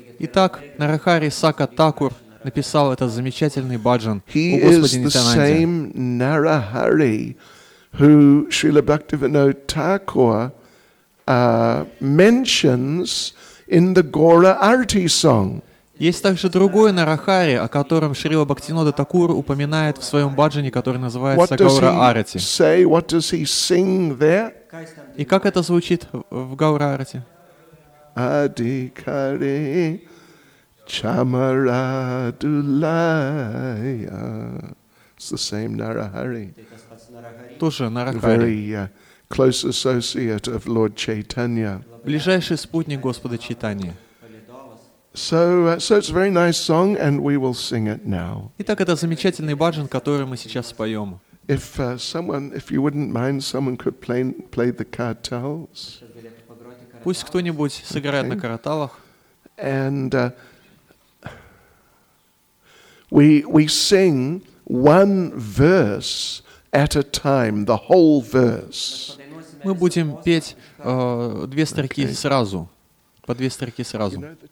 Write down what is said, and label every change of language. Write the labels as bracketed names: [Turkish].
[Russian] Итак, Нарахари Сакха Такур написал этот замечательный баджан о Господе [English] He is the same Narahari who Srila Bhaktivinoda Thakur mentions in the Gaura Arti song. [Russian] Есть также другой Нарахари, о котором Шрила Бхактинода Такур упоминает в своем баджане, который называется Гаура Арти. [English] Say, what does he sing there? [Russian] И как это звучит в Гаура Арти? [Bangla] Адикари Чамарадулая. [English] It's the same Narahari. [Russian] Тоже Нарахари. [English] Very close associate of Lord Chaitanya. [Russian] Ближайший спутник Господа Чайтаньи. [English] So it's a very nice song, and we will sing it now. [Russian] Итак, это замечательный баджан, который мы сейчас споем. [English] If you wouldn't mind, someone could play the cartels. [Russian] Пусть кто-нибудь сыграет на караталах. [English] And we sing one verse at a time, the whole verse. [Russian] Мы будем петь две строки сразу, по две строки сразу.